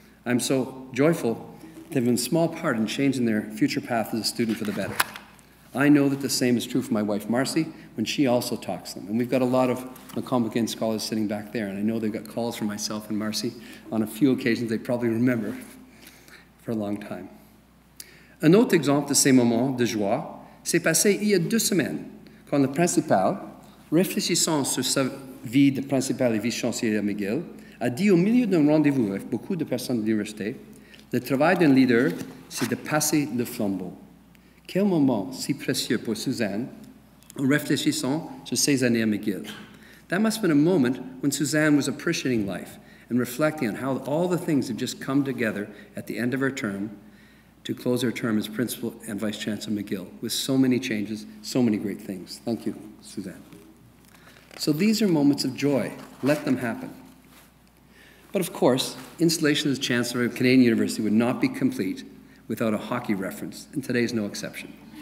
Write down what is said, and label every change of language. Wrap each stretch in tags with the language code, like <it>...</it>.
<en>I'm so joyful that they've been a small part in changing their future path as a student for the better. I know that the same is true for my wife, Marcy, when she also talks to them. And we've got a lot of McCall McBain scholars sitting back there, and I know they've got calls from myself and Marcy on a few occasions they probably remember for a long time.</en> <fr>Un autre exemple de ces moments de joie s'est passé il y a deux semaines, quand le principal, réfléchissant sur sa vie de principal et vice-chancelier à McGill, a dit au milieu d'un rendez-vous avec beaucoup de personnes de l'université, le travail d'un leader, c'est de passer le flambeau. Quel moment si précieux pour Suzanne, en réfléchissant sur ses années à McGill.</fr> <en>That must have been a moment when Suzanne was appreciating life and reflecting on how all the things have just come together at the end of her term to close her term as principal and vice chancellor McGill with so many changes, so many great things. Thank you, Suzanne. So these are moments of joy. Let them happen. But of course, installation as chancellor of Canadian University would not be complete without a hockey reference, and today is no exception.</en>